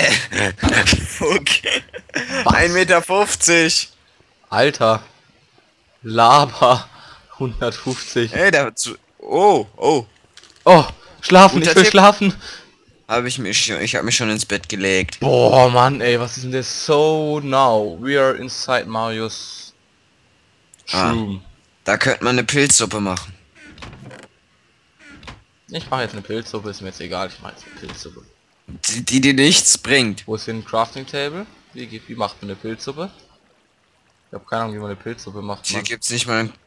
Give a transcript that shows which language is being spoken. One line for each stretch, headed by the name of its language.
German: Okay. 1,50 Meter. Alter. Laber. 150. Ey, dazu. Oh, oh. Oh, schlafen. Guter, ich will Tipp. Schlafen. Ich hab mich schon ins Bett gelegt. Boah, Mann, ey, was ist denn das?
English: So now, we are inside Mario's room.
German: Da könnte man eine Pilzsuppe machen. Ich mache jetzt eine Pilzsuppe, ist mir jetzt egal, ich mache jetzt eine Pilzsuppe. Die dir nichts bringt. Wo ist denn ein Crafting Table? Wie macht man eine Pilzsuppe? Ich hab keine Ahnung, wie man eine Pilzsuppe macht, Mann. Hier gibt's nicht mal...